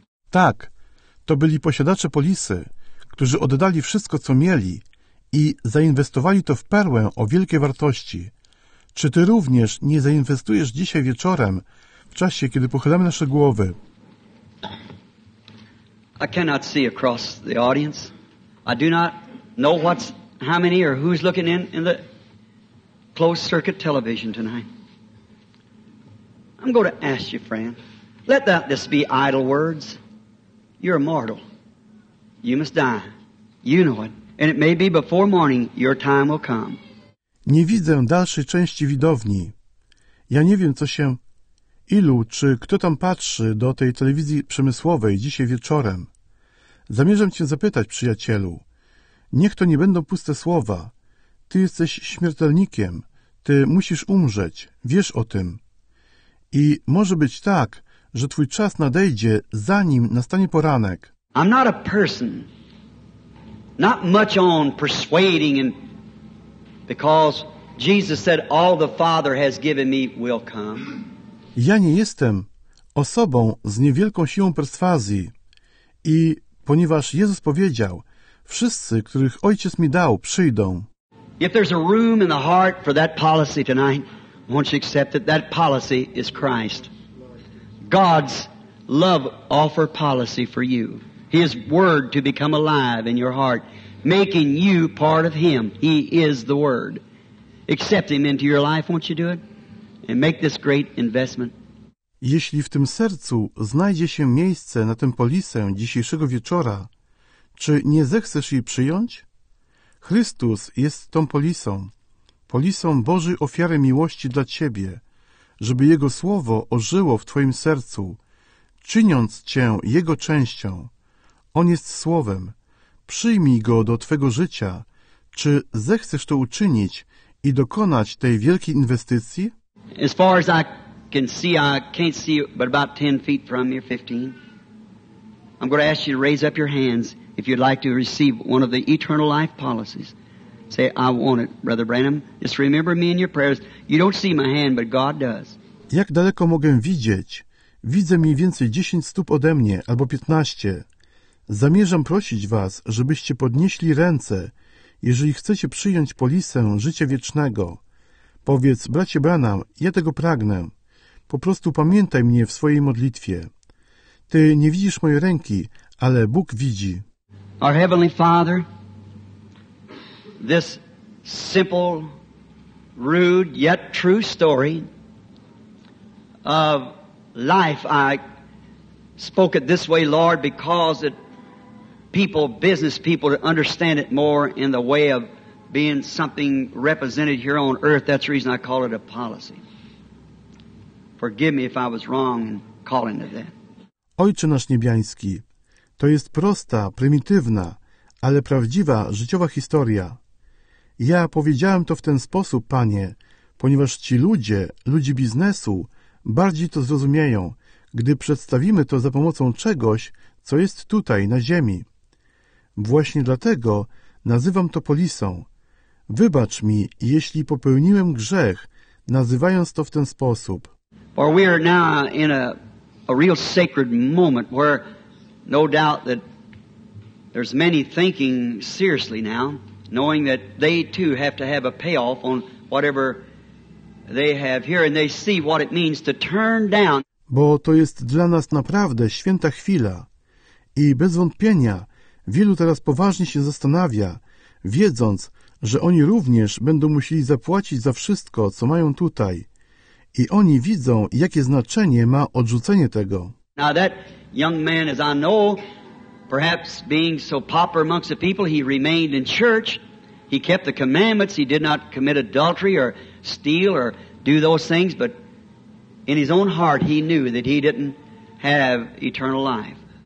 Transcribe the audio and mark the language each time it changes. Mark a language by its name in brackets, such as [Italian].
[Polish] Tak, to byli posiadacze polisy, którzy oddali wszystko, co mieli i zainwestowali to w perłę o wielkiej wartości. Czy Ty również nie zainwestujesz dzisiaj wieczorem, w czasie, kiedy pochylamy nasze głowy? [English] I cannot see across the audience. I do not know what's, how many or who's looking in the closed circuit television tonight. I'm going to ask you, friend, let that this be idle words. You're mortal. You must die. You know it. And it may be before morning your time will come. [Polish] Nie widzę dalszej części widowni. Ja nie wiem, co się... Ilu czy kto tam patrzy do tej telewizji przemysłowej dzisiaj wieczorem? Zamierzam cię zapytać, przyjacielu. Niech to nie będą puste słowa. Ty jesteś śmiertelnikiem. Ty musisz umrzeć. Wiesz o tym. I może być tak, że twój czas nadejdzie, zanim nastanie poranek. [English] I'm not a person. Not much on persuading and because Jesus said all the Father has given me will come. [Polish] Ja nie jestem osobą z niewielką siłą perswazji i ponieważ Jezus powiedział, wszyscy, których Ojciec mi dał, przyjdą. [English] If there's a room in the heart for that policy tonight, won't you accept that that policy is Christ? God's love offer policy for you. His word to become alive in your heart, making you part of Him. He is the word. Accept Him into your life, won't you do it? And make this great investment. [Polish] Jeśli w tym sercu znajdzie się miejsce na tę polisę dzisiejszego wieczora, czy nie zechcesz jej przyjąć? Chrystus jest tą polisą, polisą Bożej ofiary miłości dla Ciebie, żeby Jego Słowo ożyło w Twoim sercu, czyniąc Cię Jego częścią. On jest Słowem. Przyjmij Go do Twego życia. Czy zechcesz to uczynić i dokonać tej wielkiej inwestycji? [English] As far as I can see, I can't see but about 10 feet from you, 15. I'm going to ask you to raise up your hands if you'd like to receive one of the eternal life policies. Say, I want it, Brother Branham. Just remember me in your prayers. You don't see my hand, but God does. [Polish] Jak daleko mogę widzieć? Widzę mniej więcej 10 stóp ode mnie, albo 15. Zamierzam prosić was, żebyście podnieśli ręce, jeżeli chcecie przyjąć polisę życia wiecznego. Powiedz, bracie Branham, ja tego pragnę. Po prostu pamiętaj mnie w swojej modlitwie. Ty nie widzisz mojej ręki, ale Bóg widzi. [English] Our Heavenly Father, this simple, rude, yet true story of life, I spoke it this way, Lord, because it people, business people, to understand it more in the way of being something represented here on earth. That's the reason I call it a policy. Forgive me if I was wrong calling it that. [Polish] Ojcze nasz niebiański, to jest prosta, prymitywna, ale prawdziwa, życiowa historia. Ja powiedziałem to w ten sposób, Panie, ponieważ ci ludzie, ludzi biznesu, bardziej to zrozumieją, gdy przedstawimy to za pomocą czegoś, co jest tutaj, na ziemi. Właśnie dlatego nazywam to polisą. Wybacz mi, jeśli popełniłem grzech, nazywając to w ten sposób. [English] For we are now in a real sacred moment where no doubt that there's many thinking seriously now, knowing that they too have to have a payoff on whatever they have here and they see what it means to turn down. [Polish] Bo to jest dla nas naprawdę święta chwila. I bez wątpienia wielu teraz poważnie się zastanawia, wiedząc, że oni również będą musieli zapłacić za wszystko, co mają tutaj. I oni widzą, jakie znaczenie ma odrzucenie tego. [English] Now that young man, as I know, perhaps being so pauper amongst the people, he remained in church. He kept the commandments. He did not commit adultery or steal or do those things. But in his own heart, he knew that he didn't have eternal life.